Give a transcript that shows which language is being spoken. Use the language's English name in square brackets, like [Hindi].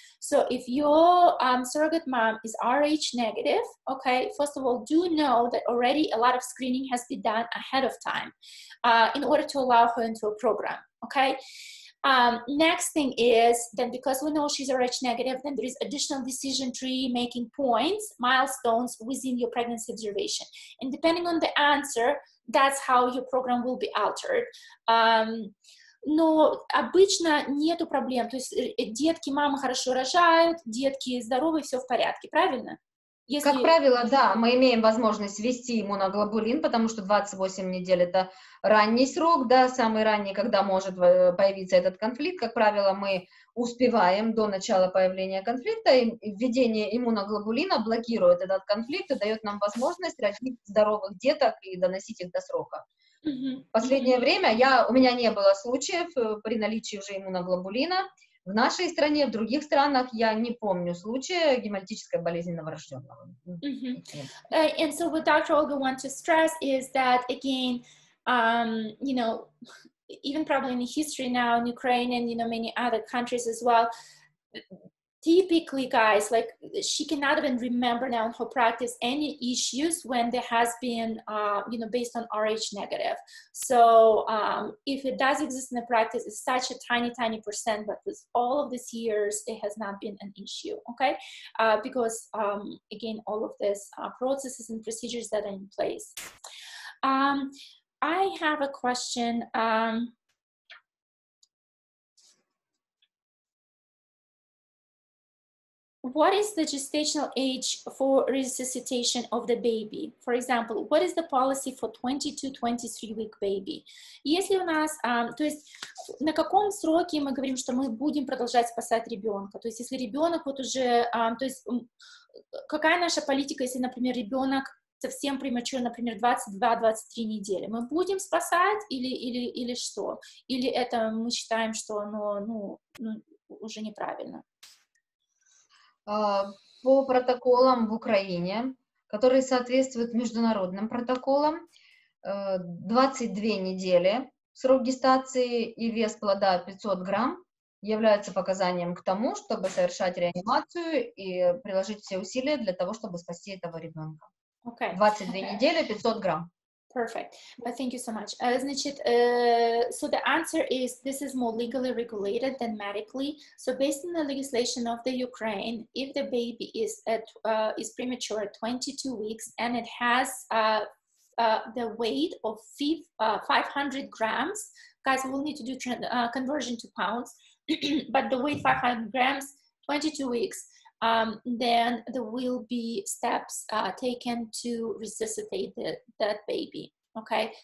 [English] So if your surrogate mom is Rh negative, okay, first of all, do know that already a lot of screening has been done ahead of time in order to allow her into a program, okay? Next thing is then because we know she's Rh negative, then there is additional decision tree making points, milestones within your pregnancy observation. And depending on the answer, that's how your program will be altered. [Russian] Но обычно нету проблем. То есть детки, мамы хорошо рожают, детки здоровы, все в порядке, правильно? Если... Как правило, да, мы имеем возможность ввести иммуноглобулин, потому что 28 недель – это ранний срок, да, самый ранний, когда может появиться этот конфликт. Как правило, мы успеваем до начала появления конфликта, и введение иммуноглобулина блокирует этот конфликт и дает нам возможность родить здоровых деток и доносить их до срока. В последнее время у меня не было случаев при наличии уже иммуноглобулина. В нашей стране, в других странах я не помню случая гемолитической болезни новорожденного. Mm-hmm. [English] And so what Dr. Olga wants to stress is that again, you know, even probably in history now in Ukraine and, you know, many other countries as well, typically guys, like she cannot even remember now in her practice any issues when there has been, you know, based on Rh negative. So if it does exist in the practice, it's such a tiny, tiny percent, but with all of these years, it has not been an issue, okay? Because again, all of this processes and procedures that are in place. I have a question. What is the gestational age for resuscitation of the baby? For example, what is the policy for 22-23-week baby? [Russian] Если у нас, то есть на каком сроке мы говорим, что мы будем продолжать спасать ребенка? То есть если ребенок вот уже, то есть какая наша политика, если, например, ребенок совсем прематур, например, 22-23 недели? Мы будем спасать или что? Или это мы считаем, что оно, ну уже неправильно? По протоколам в Украине, которые соответствуют международным протоколам, 22 недели срок гестации и вес плода 500 грамм являются показанием к тому, чтобы совершать реанимацию и приложить все усилия для того, чтобы спасти этого ребенка. [English] Okay. [Russian] 22 okay. недели, 500 грамм. [English] Perfect. Thank you so much. [Russian] Значит, [English] so the answer is this is more legally regulated than medically. So based on the legislation of the Ukraine, if the baby is at is premature at 22 weeks and it has the weight of 500 grams, guys, we'll need to do conversion to pounds, but the weight 500 grams, 22 weeks, then there will be steps taken to resuscitate that baby, okay?